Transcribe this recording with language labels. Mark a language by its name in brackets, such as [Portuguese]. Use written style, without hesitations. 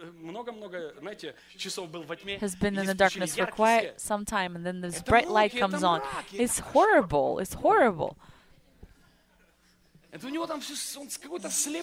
[Russian] Много-много, знаете, часов был во тьме. [English] Has been in the darkness for quite some time, and then this bright light comes on. It's horrible. It's horrible. [Russian] Это у него там всё, он какой-то слепой.